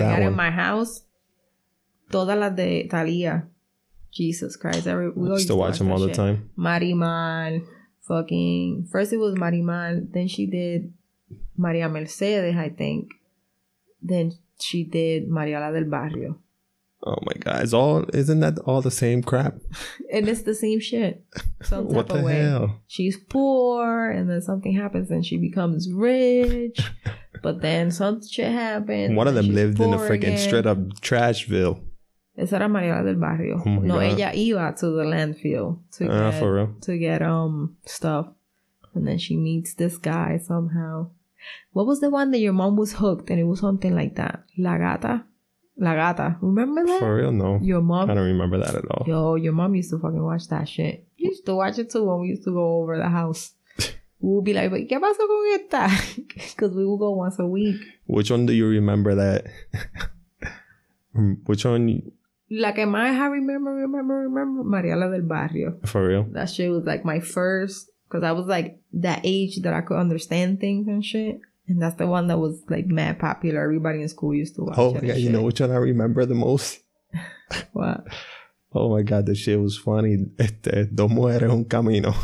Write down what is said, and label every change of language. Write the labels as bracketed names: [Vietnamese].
[English] god, in my house, [Spanish] Todas las de Thalía. [English] Jesus Christ. We used to watch them all the time. Marimal. Fucking. First it was Marimal. Then she did Maria Mercedes, I think. Then she did Mariala del Barrio. Oh my God. Isn't that all the same crap? And it's the same shit. Some type what the of way. Hell? She's poor and then something happens and she becomes rich. But then some shit happens. One of them lived in a freaking straight up trashville. [Spanish] Esa era Mariela del Barrio. Ella iba [English] to the landfill to get stuff. And then she meets this guy somehow. What was the one that your mom was hooked and it was something like that? [Spanish] La Gata? La Gata. [English] Remember that? For real, no. Your mom? I don't remember that at all. Yo, your mom used to fucking watch that shit. You used to watch it too when we used to go over the house. We'll be like, but [Spanish] ¿qué pasó con esta? [English] Because we would go once a week. Which one do you remember that... Which one? [Spanish] La que más [English] I remember, [Spanish] Mariela del Barrio. [English] For real? That shit was like my first, because I was like that age that I could understand things and shit. And that's the one that was like mad popular. Everybody in school used to watch Oh, yeah, you know which one I remember the most? What? Oh my God, the shit was funny. [Spanish] Dos mujeres un camino.